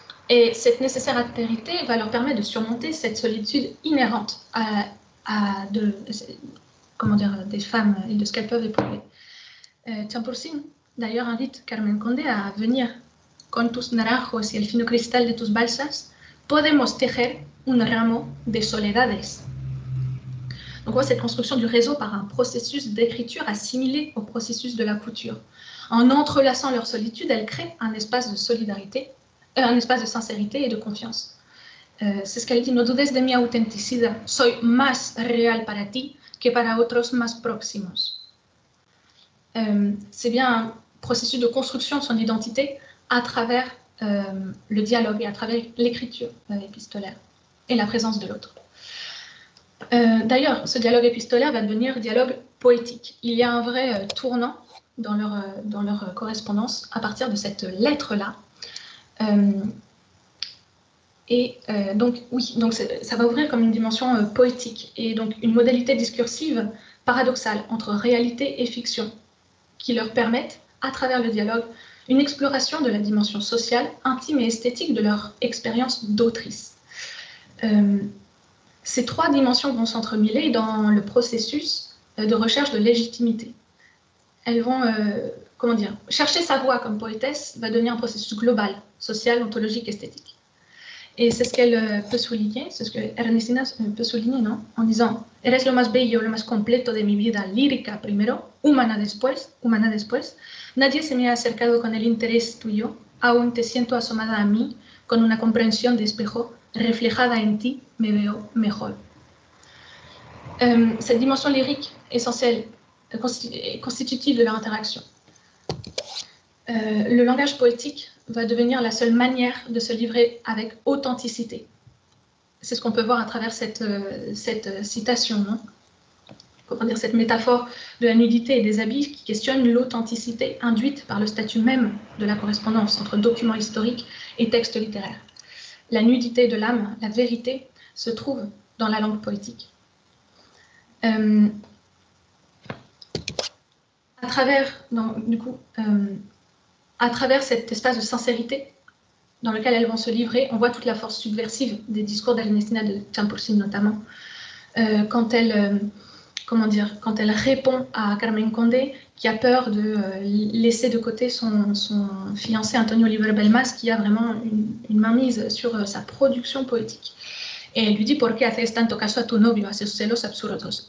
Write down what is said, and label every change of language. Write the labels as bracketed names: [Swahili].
[French] Et cette nécessaire altérité va leur permettre de surmonter cette solitude inhérente des femmes et de ce qu'elles peuvent éprouver. Champoursin, d'ailleurs, invite Carmen Conde à venir. [Spanish] Con tus naranjos y el fino cristal de tus balsas, podemos tejer un ramo de soledades. [French] Donc, voilà cette construction du réseau par un processus d'écriture assimilé au processus de la couture. En entrelaçant leur solitude, elles créent un espace de solidarité, un espace de sincérité et de confiance. C'est ce qu'elle dit. [Spanish] No dudes de mi autenticidad, soy más real para ti que para otros más próximos. [French] C'est bien un processus de construction de son identité à travers le dialogue et à travers l'écriture épistolaire et la présence de l'autre. D'ailleurs, ce dialogue épistolaire va devenir dialogue poétique. Il y a un vrai tournant dans leur correspondance à partir de cette lettre-là. Donc ça va ouvrir comme une dimension poétique et donc une modalité discursive paradoxale entre réalité et fiction qui leur permettent, à travers le dialogue, une exploration de la dimension sociale, intime et esthétique de leur expérience d'autrice. Ces trois dimensions vont s'entremêler dans le processus de recherche de légitimité. Elles vont, chercher sa voix comme poétesse va devenir un processus global, social, ontologique, esthétique. Et c'est ce qu'elle peut souligner, c'est ce que Ernestina peut souligner, non ? En disant [Spanish] « Eres lo más bello, lo más completo de mi vida lírica primero, humana después, nadie se me ha acercado con el interés tuyo, aún te siento asomada a mí, con una comprensión de espejo, reflejada en ti, me veo mejor. » [French] Cette dimension lyrique essentielle est constitutive de leur interaction. Le langage poétique va devenir la seule manière de se livrer avec authenticité. C'est ce qu'on peut voir à travers cette citation, non ? Comment dire, cette métaphore de la nudité et des habits qui questionne l'authenticité induite par le statut même de la correspondance entre documents historiques et textes littéraires. La nudité de l'âme, la vérité, se trouve dans la langue poétique. À travers cet espace de sincérité dans lequel elles vont se livrer, on voit toute la force subversive des discours d'Ernestina de Champoursin notamment. Quand elle répond à Carmen Condé, qui a peur de laisser de côté son fiancé Antonio Oliver Belmas, qui a vraiment une mainmise sur sa production poétique. Et elle lui dit [Spanish] « ¿Por qué haces tanto caso a tu novio, a esos celos absurdos?